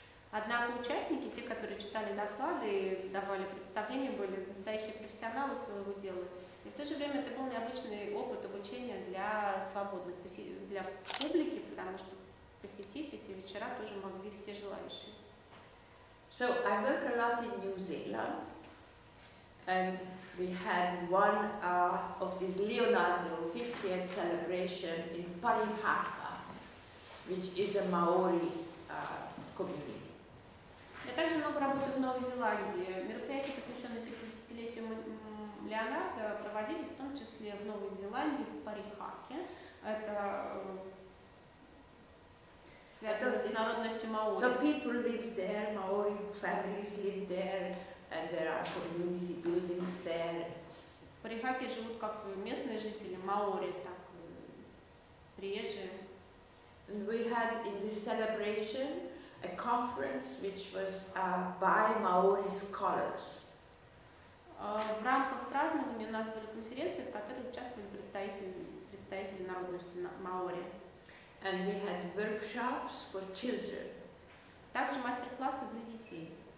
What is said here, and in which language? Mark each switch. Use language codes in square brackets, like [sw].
[ru] Однако участники, те, которые читали доклады и давали представления, были настоящие профессионалы своего дела. И в то же время это был необычный опыт обучения для свободных, для публики, потому что посетить эти вечера тоже могли все желающие. [en] So I work a lot in New Zealand, and we had one of these Leonardo 50th celebration in Parihaka, which is a Maori community. [ru] Я также много работаю в Новой Зеландии. Мероприятия, посвященные 50-летию Леонардо, проводились в том числе в Новой Зеландии, в Парихаке. Это [en] So people live there, Maori families live there, and there are community buildings there. [ru] В Парихаке живут как местные жители, Маори, так приезжие. [en] And we had in this celebration a conference which was by Maori scholars. [ru] В рамках празднования у нас были конференции, в которых участвовали представители народности Маори. [en] And we had workshops for children. [ru] Также мастер-классы для детей.